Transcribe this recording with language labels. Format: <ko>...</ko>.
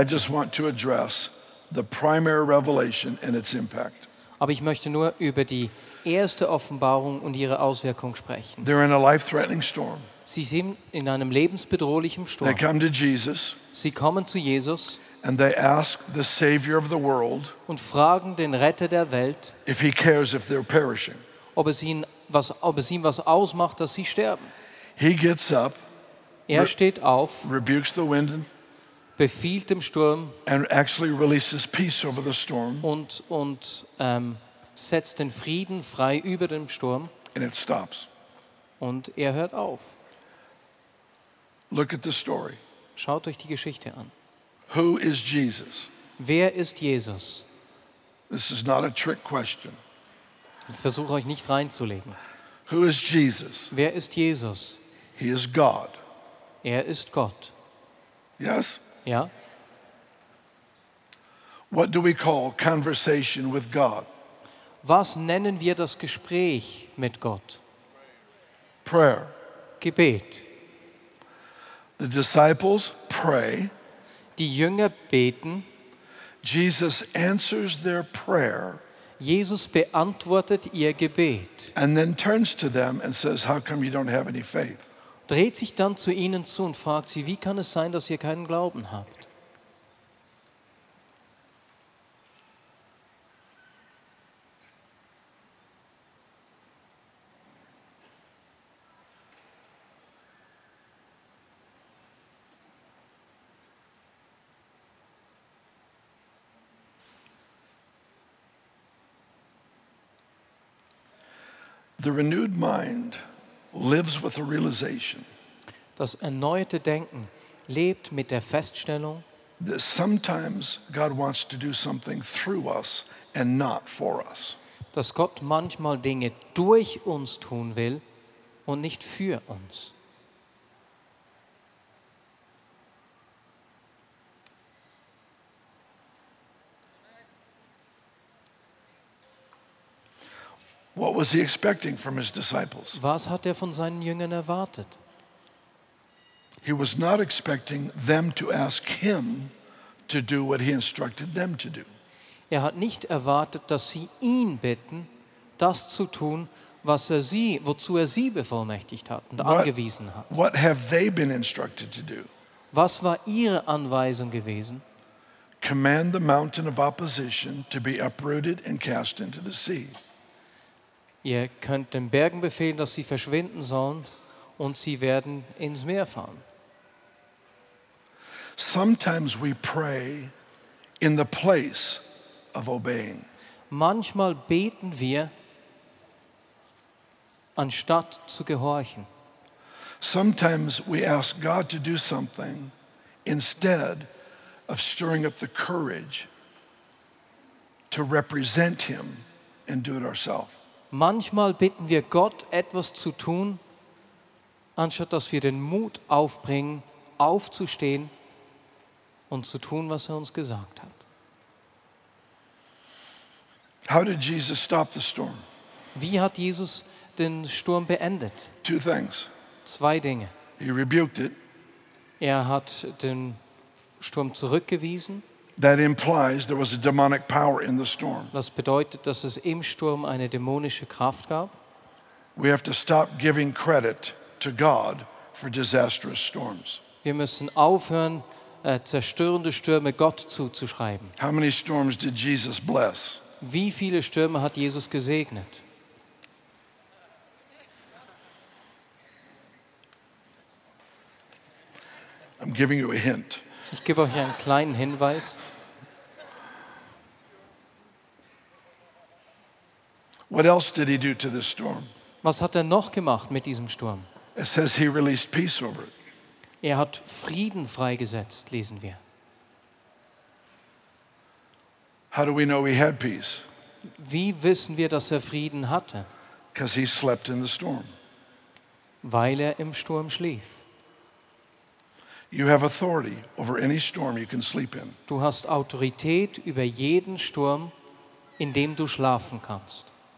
<en>I just want to address the primary revelation and its impact.</en> <de>Aber ich möchte nur über die erste Offenbarung und ihre Auswirkung sprechen.</de> <en>They're in a life-threatening storm.</en> <de>Sie sind in einem lebensbedrohlichen Sturm.</de> <en>They come to Jesus.</en> <de>Sie kommen zu Jesus.</de> <en>And they ask the Savior of the world.</en> <de>Und fragen den Retter der Welt.</de> <en>If he cares if they're perishing.</en> <de>Ob es ihm was ausmacht, dass sie sterben.</de> <en>He gets up.</en> <de>Er steht auf.</de> <en>Rebukes the wind.</en> <de>Befiehlt dem Sturm.</de> <en>And actually releases peace over the storm.</en> <de>Und setzt den Frieden frei über dem Sturm.</de> <en>And it stops.</en> <de>Und er hört auf.</de> <en>Look at the story.</en> <de>Schaut euch die Geschichte an.</de> <en>Who is Jesus?</en> <de>Wer ist Jesus?</de> <en>This is not a trick question.</en> <de>Ich versuche euch nicht reinzulegen.</de> <en>Who is Jesus?</en> <de>Wer ist Jesus?</de> <en>He is God.</en> <de>Er ist Gott.</de> <en>Yes?</en> <de>Ja.</de> <en>What do we call conversation with God?</en> <de>Was nennen wir das Gespräch mit Gott?</de> <en>Prayer.</en> <de>Gebet.</de> <en>The disciples pray.</en> <de>Die Jünger beten.</de> <en>Jesus answers their prayer.</en> <de>Jesus beantwortet ihr Gebet.</de> <en>And then turns to them and says, "How come you don't have any faith?"</en> <de>Dreht sich dann zu ihnen zu und fragt sie, wie kann es sein, dass ihr keinen Glauben habt?</de> <en>The renewed mind lives with a realization.</en> <de>Das erneuerte Denken lebt mit der Feststellung,</de> <en>that sometimes God wants to do something through us and not for us.</en> <de>Dass Gott manchmal Dinge durch uns tun will und nicht für uns.</de> <en>What was he expecting from his disciples?</en> <de>Was hat von seinen Jüngern erwartet?</de> <en>He was not expecting them to ask him to do what he instructed them to do.</en> <de>Er hat nicht erwartet, dass sie ihn bitten, das zu tun, wozu er sie bevollmächtigt hat und angewiesen hat.</de> <en>What have they been instructed to do?</en> <de>Was war ihre Anweisung gewesen?</de> <en>Command the mountain of opposition to be uprooted and cast into the sea.</en> <de>Ihr könnt den Bergen befehlen, dass sie verschwinden sollen, und sie werden ins Meer fahren.</de> <en>Sometimes we pray in the place of obeying.</en> <de>Manchmal beten wir anstatt zu gehorchen.</de> <en>Sometimes we ask God to do something instead of stirring up the courage to represent him and do it ourselves.</en> <de>Manchmal bitten wir Gott, etwas zu tun, anstatt dass wir den Mut aufbringen, aufzustehen und zu tun, was er uns gesagt hat.</de> <en>How did Jesus stop the storm?</en> <de>Wie hat Jesus den Sturm beendet?</de> <en>Two things.</en> <de>Zwei Dinge.</de> <en>He rebuked it.</en> <de>Er hat den Sturm zurückgewiesen.</de> <en>That implies there was a demonic power in the storm.</en> <de>Das bedeutet, dass es im Sturm eine dämonische Kraft gab.</de> <en>We have to stop giving credit to God for disastrous storms.</en> <de>Wir müssen aufhören, zerstörende Stürme Gott zuzuschreiben.</de> <en>How many storms did Jesus bless?</en> <de>Wie viele Stürme hat Jesus gesegnet?</de> <en>I'm giving you a hint.</en> <de>Ich gebe euch einen kleinen Hinweis.</de> <en>What else did he do to this storm?</en> <de>Was hat er noch gemacht mit diesem Sturm?</de> <en>It says he released peace over it.</en> <de>Er hat Frieden freigesetzt, lesen wir.</de> <en>How do we know he had peace?</en> <de>Wie wissen wir, dass er Frieden hatte?</de> <en>Because he slept in the storm.</en> <de>Weil er im Sturm schlief.</de> <en>You have authority over any storm you can sleep in.</en> <de>Du hast Autorität über jeden Sturm, in dem du schlafen kannst.</de>